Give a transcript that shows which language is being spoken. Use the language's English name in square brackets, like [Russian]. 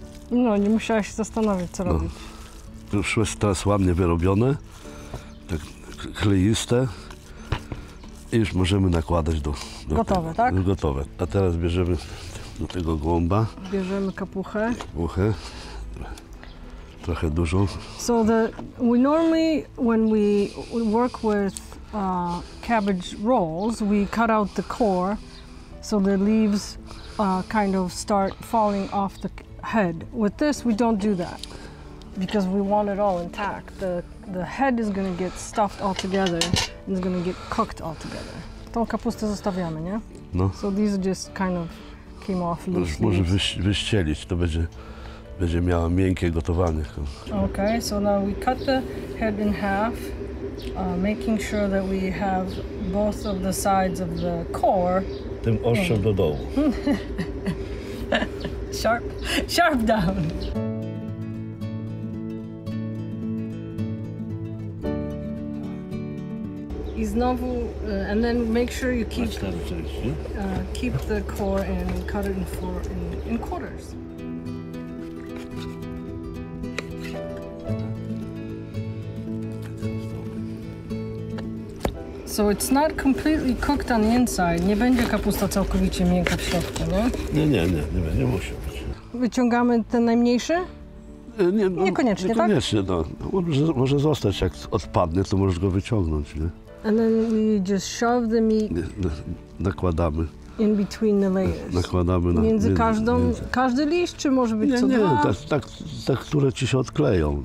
[Polish] No, nie musiałaś się zastanawiać, co robić. Przyszły teraz ładnie wyrobione, tak kleiste. I już możemy nakładać do gotowe, tego, tak? Gotowe. A teraz bierzemy do tego gołąba. Bierzemy kapuchę. Kapuchę. Trochę dużą. [English] So the we normally when we work with cabbage rolls, we cut out the core, so the leaves kind of start falling off the head. With this, we don't do that because we want it all intact. The head is going to get stuffed all together. It's gonna get cooked all together. [Polish] Tą kapustę zostawiamy, nie? No. [English] So these just kind of came off loose. [Polish] Może wyścielić, to będzie miała miękkie gotowanie. [English] Okay, so now we cut the head in half, making sure that we have both of the sides of the core. [Polish] Tym ostrzem do dołu. [English] sharp down. [Polish] I znowu, [English] and then make sure you keep the core and cut it in quarters. So it's not completely cooked on the inside. [Polish] Nie będzie kapusta całkowicie miękka w środku, nie? Nie, będzie, nie musi być. Wyciągamy ten najmniejszy? Niekoniecznie, tak? Niekoniecznie, no. Może zostać, jak odpadnie, to możesz go wyciągnąć, nie? [English] And then we just shove the meat [Polish] nakładamy. [English] In between the layers. [Polish] Nakładamy między każdą, każdy liść, czy może być nie, co dwa? Nie, tak, które ci się odkleją.